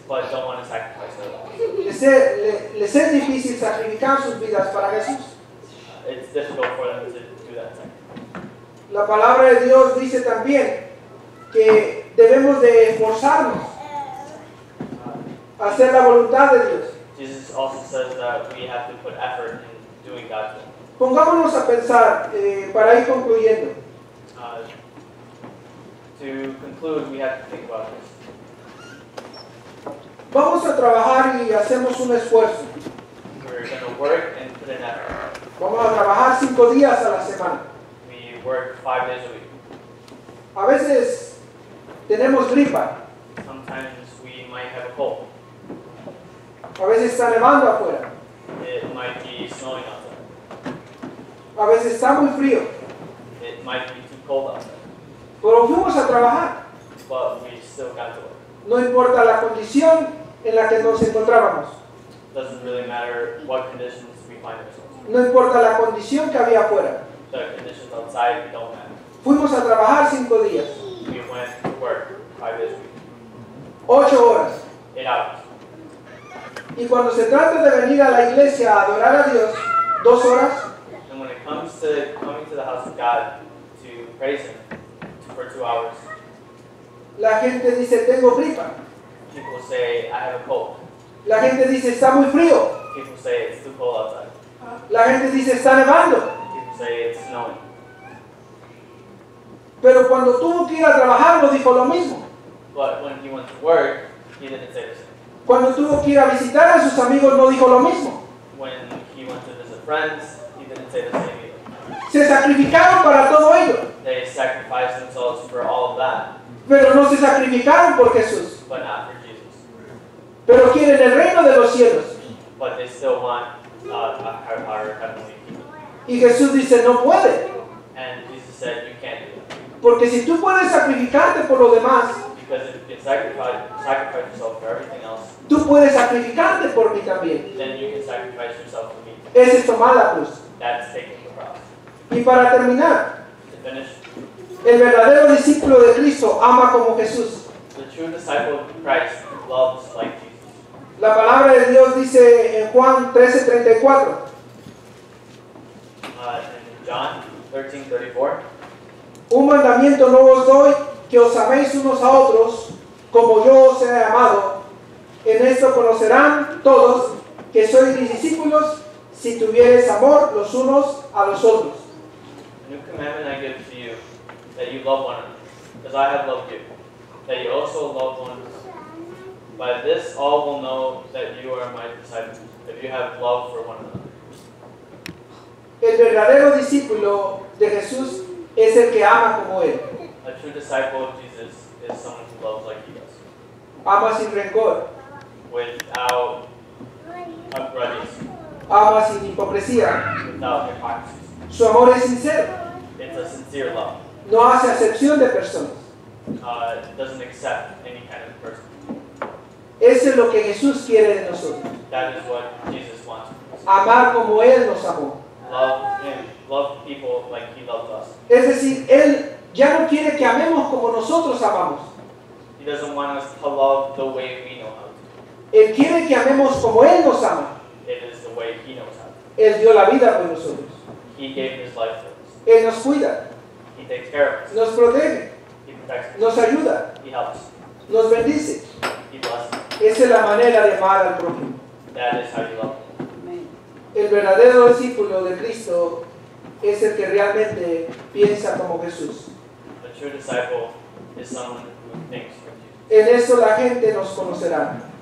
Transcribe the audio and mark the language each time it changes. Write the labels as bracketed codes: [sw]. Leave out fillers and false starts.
[en] But don't want to sacrifice their lives. [es] Les es difícil sacrificar sus vidas para Jesús. [en] It's difficult for them to do that. [es] La palabra de Dios dice también que debemos de esforzarnos a hacer la voluntad de Dios. [en] Jesus also says that we have to put effort in doing God's will. [es] Pongámonos a pensar, para ir concluyendo. [en] To conclude, we have to think about this. [es] Vamos a trabajar y hacemos un esfuerzo. [en] We're going to work and put an effort. [es] Vamos a trabajar 5 días a la semana. [en] We work 5 days a week. [es] A veces tenemos gripa. [en] Sometimes we might have a cold. [es] A veces está nevando afuera. [en] It might be snowing outside. [es] A veces está muy frío. [en] It might be too cold outside. [es] Pero fuimos a trabajar. [en] But we still got to work. [es] No importa la condición en la que nos encontrábamos. [en] Doesn't really matter what conditions we find ourselves. [es] No importa la condición que había afuera. [en] The conditions outside don't matter. [es] Fuimos a trabajar 5 días. [en] We went to work 5 days a week. [es] 8 horas. [en] 8 hours. [es] Y cuando se trata de venir a la iglesia a adorar a Dios, 2 horas. [en] And when it comes to coming to the house of God to praise Him for 2 hours. [es] La gente dice, tengo gripa. [en] People say, I have a cold. [es] La gente dice, está muy frío. [en] People say, it's too cold outside. [es] La gente dice, está nevando. [en] People say, it's snowing. [es] Pero cuando tuvo que ir a trabajar, no dijo lo mismo. [en] But when he went to work, he didn't say the same. [es] Cuando tuvo que ir a visitar a sus amigos, no dijo lo mismo. [en] When he went to visit friends, he didn't say the same either. [es] Se sacrificaron para todo ello. [en] They sacrificed themselves for all of that. [es] Pero no se sacrificaron por Jesús. [en] But not for Jesus. [es] Pero quieren el reino de los cielos. [en] But they still want our heavenly kingdom. [es] Y Jesús dice, no puede. [en] And Jesus said, you can't do that. [es] Porque si tú puedes sacrificarte por lo demás, [en] because if you can sacrifice yourself for everything else, [es] tú puedes sacrificarte por mí también. [en] Then you can sacrifice yourself for me. [es] Ese es tomar la cruz. [en] That's taking the cross. [es] Y para terminar, [en] to finish, [es] el verdadero discípulo de Cristo ama como Jesús. [en] The true disciple of Christ loves like Jesus. [es] La palabra de Dios dice en Juan 13:34. [en] John 13:34. [es] Un mandamiento nuevo os doy, que os améis unos a otros como yo os he amado. En esto conocerán todos que sois mis discípulos si tuviereis amor los unos a los otros. [en] A new commandment I give to you, that you love one another, as I have loved you, that you also love one another. By this all will know that you are my disciples, if you have love for one another. [es] El verdadero discípulo de Jesús es el que ama como él. [en] A true disciple of Jesus is someone who loves like he does. [es] Ama sin rencor. [en] Without a grudge. [es] Ama sin hipocresía. [en] Without hypocrisy. [es] Su amor es sincero. [en] It's a sincere love. [es] No hace acepción de personas. [en] Doesn't accept any kind of person. [es] Eso es lo que Jesús quiere de nosotros. [en] That is what Jesus wants from us. [es] Amar como Él nos amó. [en] Love Him. Love people like He loved us. [es] Es decir, Él ya no quiere que amemos como nosotros amamos. [en] He doesn't want us to love the way we know how to. [es] Él quiere que amemos como Él nos ama. [en] It is the way He knows how to. [es] Él dio la vida por nosotros. [en] He gave His life for us. [es] Él nos cuida. [en] He takes care of us. [es] Nos protege. [en] He protects us. [es] Nos ayuda. [en] He helps. [es] Nos bendice. [en] He blesses. [es] Esa es la manera de amar al prójimo. [en] That is how you love. [es] El verdadero discípulo de Cristo es el que realmente piensa como Jesús. [en] A true disciple is someone who thinks like Jesus. [es] En eso la gente nos conocerá.